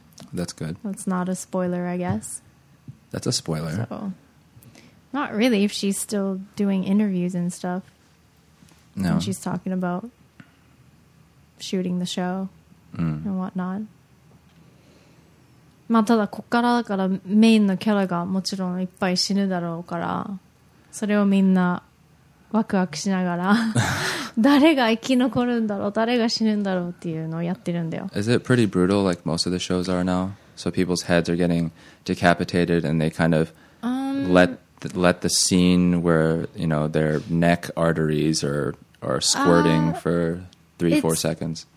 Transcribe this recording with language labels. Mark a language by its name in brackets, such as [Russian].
[English] That's good. That's not a spoiler, I guess. That's a spoiler. So, not really, if she's still doing interviews and stuff. No. And she's talking about shooting the show and whatnot. [Japanese] まあ、ただこっからだからメインのキャラがもちろんいっぱい死ぬだろうからそれをみんなワクワクしながら誰が生き残るんだろう誰が死ぬんだろうっていうのをやってるんだよ [English] Is it pretty brutal like most of the shows are now? So people's heads are getting decapitated and they kind of let the scene where you know, their neck arteries are squirting for 3-4 seconds